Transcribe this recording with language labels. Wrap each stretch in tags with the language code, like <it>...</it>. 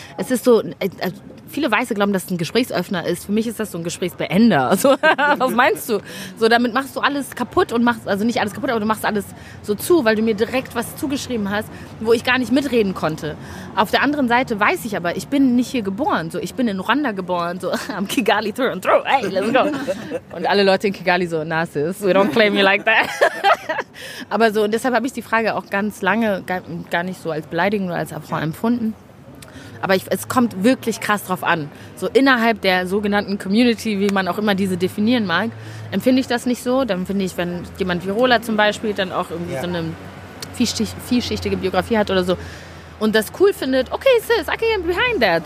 <de>Es ist so, viele Weiße glauben, dass es ein Gesprächsöffner ist. Für mich ist das so ein Gesprächsbeender. Also, was meinst du? So, damit machst du alles kaputt und machst, also nicht alles kaputt, aber du machst alles so zu, weil du mir direkt was zugeschrieben hast, wo ich gar nicht mitreden konnte. Auf der anderen Seite weiß ich aber, ich bin nicht hier geboren. So, ich bin in Rwanda geboren, so am Kigali</de> <en>through and through. Hey, let's go.</en> <de>Und alle Leute in Kigali so, Narcissus,</de> <en>we don't claim you like that.</en> <de>Aber so, und deshalb habe ich die Frage auch ganz lange gar nicht so als beleidigend oder als Affront empfunden. Aber es kommt wirklich krass drauf an. So innerhalb der sogenannten Community, wie man auch immer diese definieren mag, empfinde ich das nicht so. Dann finde ich, wenn jemand wie Rola zum Beispiel dann auch irgendwie so eine vielschichtige Biografie hat oder so und das cool findet,</de> <en>okay, sis, I can't behind that.</en>